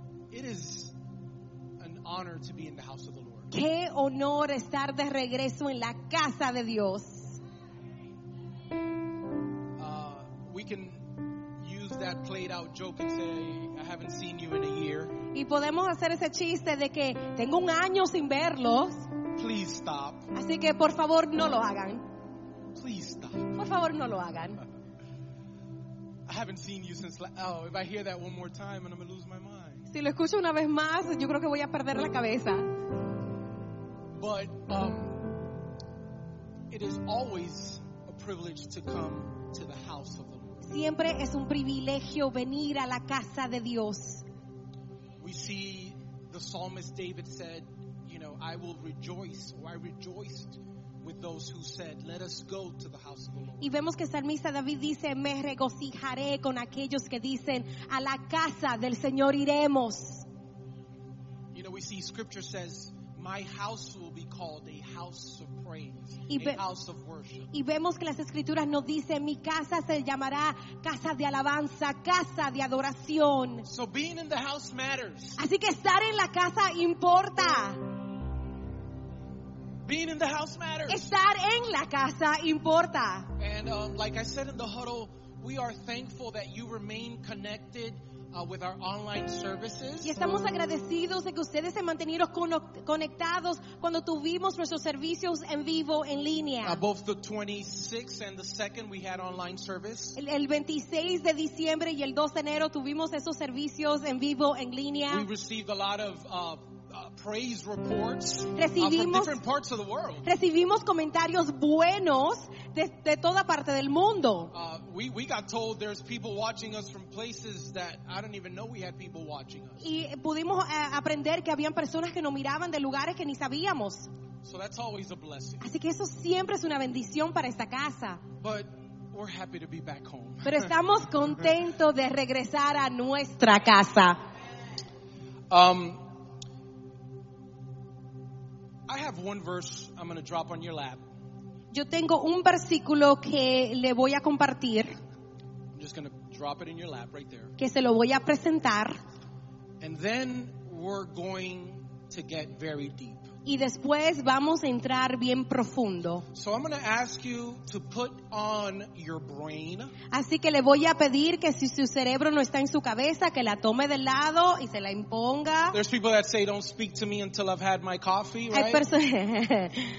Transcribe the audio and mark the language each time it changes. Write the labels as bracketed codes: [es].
[en] It is an honor to be in the house of the Lord. [es] Qué honor estar de regreso en la casa de Dios. [en] We can use that played out joke and say, I haven't seen you in a year. [es] Y podemos hacer ese chiste de que tengo un año sin verlos. [en] Please stop. [es] Así que por favor no lo hagan. [en] Please stop. [es] Por favor no lo hagan. [en] I haven't seen you since if I hear that one more time and I'm gonna lose my mind. [es] Si lo escucho una vez más, yo creo que voy a perder la cabeza. [en] But it is always a privilege to come to the house of the Lord. [es] Siempre es un privilegio venir a la casa de Dios. [en] We see the psalmist David said, you know, I will rejoice, or I rejoiced with those who said, let us go to the house of the Lord. [es] Y vemos que el salmista David dice, me regocijaré con aquellos que dicen, a la casa del Señor iremos. [en] You know, we see scripture says, my house will be called a house of praise, a house of worship. [es] Y vemos que las escrituras nos dicen, mi casa se llamará casa de alabanza, casa de adoración. [en] So being in the house matters. [es] Así que estar en la casa importa. [en] Being in the house matters. [es] Estar en la casa importa. [en] And like I said in the huddle, we are thankful that you remain connected with our online services. [es] Y estamos agradecidos de que ustedes se mantenieron conectados cuando tuvimos nuestros servicios en vivo en línea. [en] Both the 26th and the 2nd we had online service. [es] El 26 de diciembre y el 2 de enero tuvimos esos servicios en vivo en línea. [en] We received a lot of praise reports [es] recibimos, [en] from different parts of the world. [es] Recibimos comentarios buenos de toda parte del mundo. [en] We got told there's people watching us from places that I don't even know we had people watching us. [es] Y pudimos aprender que habían personas que nos miraban de lugares que ni sabíamos. [en] So that's always a blessing. [es] Así que eso siempre es una bendición para esta casa. [en] But we're happy to be back home. [es] Pero estamos contentos de regresar a nuestra casa. [en] I have one verse I'm going to drop on your lap. [es] Yo tengo un versículo que le voy a compartir. [en] I'm just going to drop it in your lap right there. [es] Que se lo voy a presentar. [en] And then we're going to get very deep. [es] Y después vamos a entrar bien profundo. [en] So I'm going to ask you to put on your brain. [es] Así que le voy a pedir que si su cerebro no está en su cabeza, que la tome del lado y se la imponga. [en] There's people that say, don't speak to me until I've had my coffee, right?